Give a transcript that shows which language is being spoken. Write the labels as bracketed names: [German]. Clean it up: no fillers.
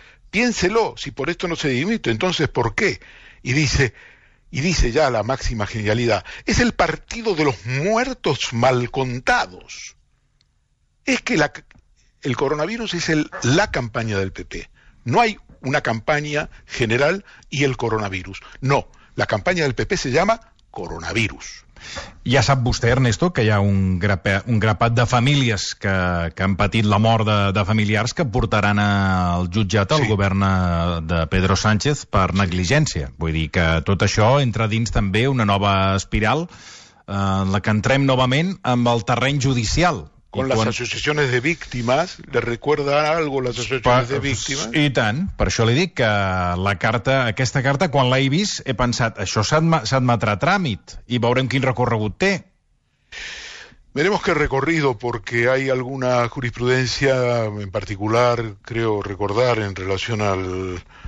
[Spanish] Piénselo, si por esto no se dimite, entonces ¿por qué? Y dice ya la máxima genialidad, es el partido de los muertos mal contados. Es que el coronavirus es la campaña del PP. No hay una campaña general y el coronavirus. No, la campaña del PP se llama coronavirus. [Catalan] Ja sap vostè, Ernesto, que hi ha un grapat de famílies que han patit la mort de familiars que portaran al jutjat al govern de Pedro Sánchez per negligència. Vull dir que tot això entra dins també una nova espiral en la que entrem novament amb el terreny judicial. [Spanish] Con las asociaciones de víctimas, ¿le recuerda algo las asociaciones de víctimas? [Catalan] I tant, per això li dic que la carta, aquesta carta, quan l'he vist, he pensat, això s'admetrà a tràmit, i veurem quin recorregut té. [Spanish] Veremos qué recorrido, porque hay alguna jurisprudencia en particular, creo recordar, en relación al...